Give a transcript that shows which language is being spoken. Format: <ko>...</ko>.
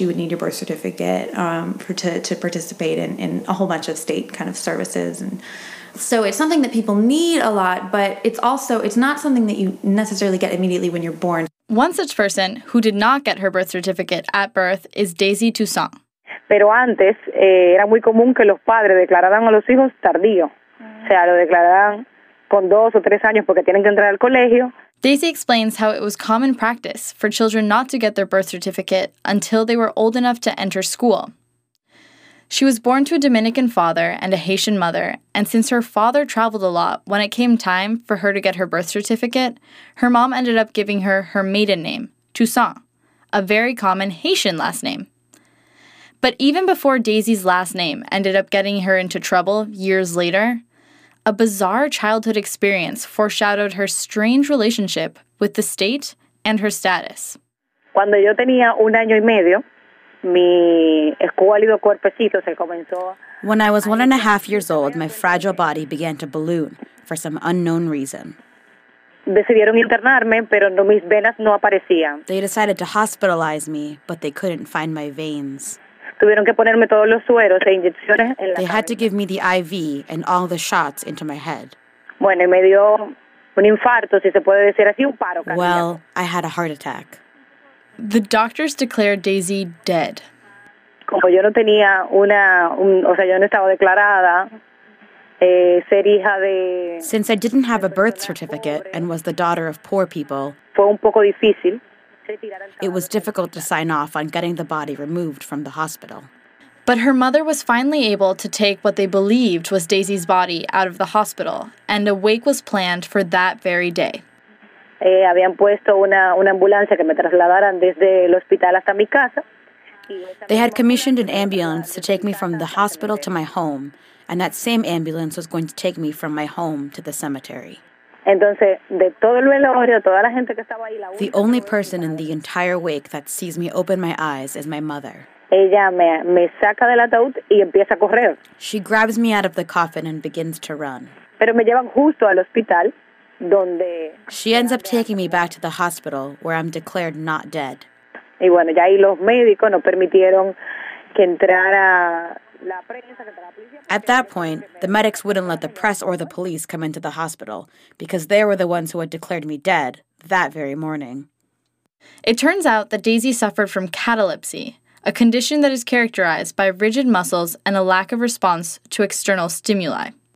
<en>You would need your birth certificate to participate in a whole bunch of state kind of services. And so it's something that people need a lot, but it's not something that you necessarily get immediately when you're born. One such person who did not get her birth certificate at birth is Daisy Toussaint.</en> <es>Pero antes era muy común que los padres declararan a los hijos tardío. O sea, lo declararan con 2 o 3 años porque tienen que entrar al colegio.</es> <en>Daisy explains how it was common practice for children not to get their birth certificate until they were old enough to enter school. She was born to a Dominican father and a Haitian mother, and since her father traveled a lot, when it came time for her to get her birth certificate, her mom ended up giving her her maiden name, Toussaint, a very common Haitian last name. But even before Daisy's last name ended up getting her into trouble years later, a bizarre childhood experience foreshadowed her strange relationship with the state and her status.</en> <es>Cuando yo tenía un año y medio, mi escuálido cuerpecito se comenzó.</es> <en>When I was 1.5 years old, my fragile body began to balloon for some unknown reason.</en> <es>Decidieron internarme, pero no, mis venas no aparecían.</es> <en>They decided to hospitalize me, but they couldn't find my veins.</en> <es>Tuvieron que ponerme todos los sueros e inyecciones en la cabeza.</es> <en>They had to give me the IV and all the shots into my head.</en> <es>Bueno, y me dio un infarto, si se puede decir así, un paro.</es> <en>Well, I had a heart attack. The doctors declared Daisy dead.</en> <es>Como yo no tenía yo no estaba declarada ser hija de.</es> <en>Since I didn't have a birth certificate and was the daughter of poor people,</en> <es>fue un poco difícil.</es> <en>It was difficult to sign off on getting the body removed from the hospital. But her mother was finally able to take what they believed was Daisy's body out of the hospital, and a wake was planned for that very day.</en> <es>Habían puesto una ambulancia que me trasladaran desde el hospital hasta mi casa.</es> <en>They had commissioned an ambulance to take me from the hospital to my home, and that same ambulance was going to take me from my home to the cemetery.</en> <es>Entonces, de todo el velorio, toda la gente que estaba ahí,</es> <en>the only person in the entire wake that sees me open my eyes is my mother.</en> <es>Ella me saca del ataúd y empieza a correr.</es> <en>She grabs me out of the coffin and begins to run.</en> <es>Pero me llevan justo al hospital donde</es> <en>she ends up taking me back to the hospital where I'm declared not dead.</en> <es>Y bueno, ya ahí los médicos no permitieron que entrara.</es> <en>At that point, the medics wouldn't let the press or the police come into the hospital because they were the ones who had declared me dead that very morning. It turns out that Daisy suffered from catalepsy, a condition that is characterized by rigid muscles and a lack of response to external stimuli.</en>